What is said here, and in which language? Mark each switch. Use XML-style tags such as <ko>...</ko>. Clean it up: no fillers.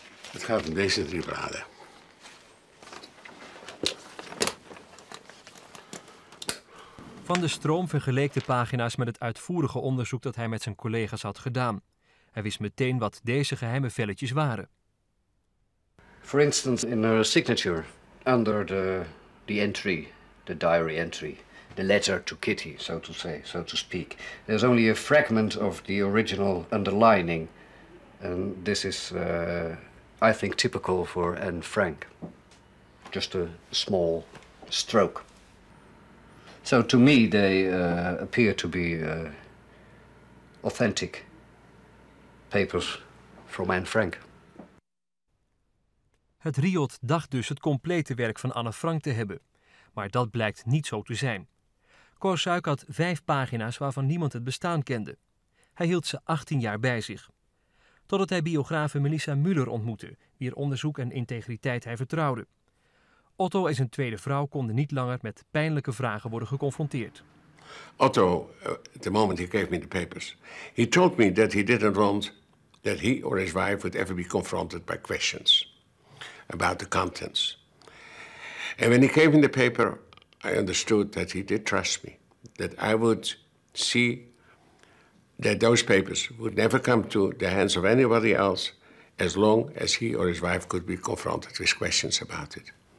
<nl>Het gaat om deze 3 bladen. Van der Stroom vergeleek de pagina's met het uitvoerige onderzoek dat hij met zijn collega's had gedaan. Hij wist meteen wat deze geheime velletjes waren.</nl> <en>For instance, in her signature, under the entry, the diary entry, the letter to Kitty, so to say, so to speak, there's only a fragment of the original underlining. And this is I think typical for Anne Frank. Just a small stroke. So to me they appear to be authentic papers from Anne Frank.</en> <nl>Het Riot dacht dus het complete werk van Anne Frank te hebben. Maar dat blijkt niet zo te zijn. Cor Suyk had 5 pagina's waarvan niemand het bestaan kende. Hij hield ze 18 jaar bij zich. Totdat hij biografe Melissa Müller ontmoette, wier onderzoek en integriteit hij vertrouwde. Otto en zijn tweede vrouw konden niet langer met pijnlijke vragen worden geconfronteerd.</nl> <en>Otto, the moment he gave me the papers, he told me that he didn't want that he or his wife would ever be confronted by questions about the contents. And when he gave me the paper, I understood that he did trust me, that I would see that those papers would never come to the hands of anybody else as long as he or his wife could be confronted with questions about it.</en>